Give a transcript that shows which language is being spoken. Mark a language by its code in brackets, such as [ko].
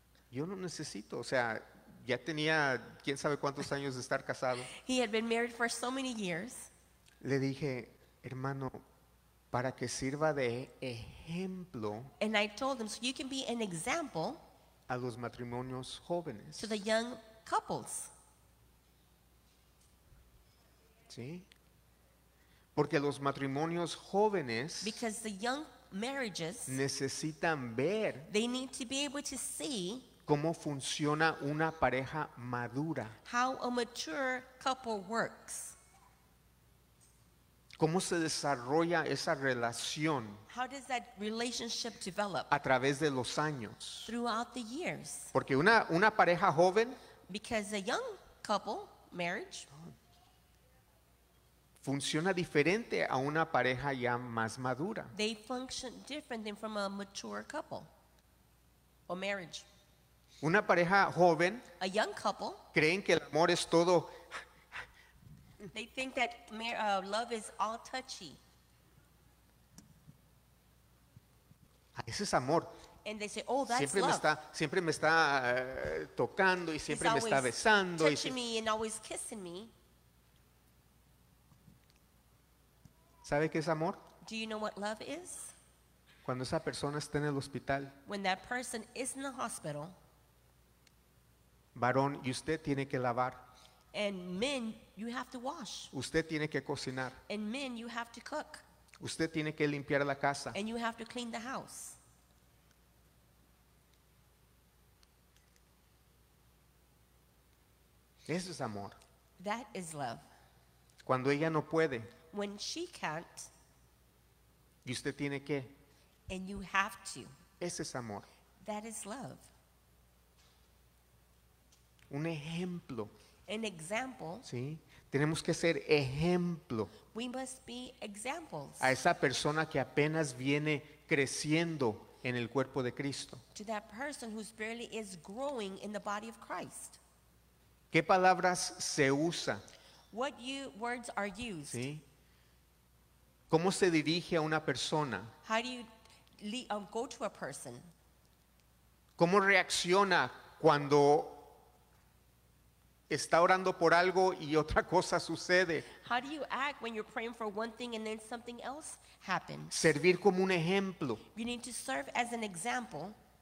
[es] Yo no necesito, o sea, ya tenía quién sabe cuántos años de estar casado. [en] He had been married for so many years. [es] Le dije, hermano, para que sirva de ejemplo. [en] And I told him, so you can be an example. [es] A los matrimonios jóvenes. [en] To the young couples. [es] ¿Sí? Porque los matrimonios jóvenes. [en] Because the young marriages, [es] necesitan ver, [en] they need to be able to see, [es] cómo funciona una pareja madura, [en] how a mature couple works, [es] cómo se desarrolla esa relación, [en] how does that relationship develop, [es] a través de los años, [en] throughout the years, [es] porque una pareja joven, [en] because a young couple marriage, [es] funciona diferente a una pareja ya más madura. [en] They function different than from a mature couple or marriage. [es] Una pareja joven, [en] a young couple, [es] creen que el amor es todo. [en] They think that love is all touchy. [es] Ese es amor. [en] And they say, oh, that's [es] siempre [en] love. [es] Siempre me está tocando y siempre me está besando. [en] He's always touching me and always kissing me. [es] ¿Sabe qué es amor? [en] Do you know what love is? [es] Cuando esa persona está en el hospital. [en] When that person is in the hospital. [es] Varón, y usted tiene que lavar. [en] And men, you have to wash. [es] Usted tiene que cocinar. [en] And men, you have to cook. [es] Usted tiene que limpiar la casa. [en] And you have to clean the house. [es] Eso es amor. [en] That is love. [es] Cuando ella no puede. [en] When she can't. [es] Y usted tiene que. [en] And you have to. [es] Ese es amor. [en] That is love. [es] Un ejemplo. [en] An example. [es] Sí. Tenemos que ser ejemplo. [en] We must be examples. [es] A esa persona que apenas viene creciendo en el cuerpo de Cristo. [en] To that person who's barely is growing in the body of Christ. [es] ¿Qué palabras se usa? [en] What words are used? [es] Sí. ¿Cómo se dirige a una persona? [en] How do you go to a person? [es] ¿Cómo reacciona cuando está orando por algo y otra cosa sucede? [en] How do you act when you're praying for one thing and then something else happens? [es] Servir como un ejemplo. [en] You need to serve as an example.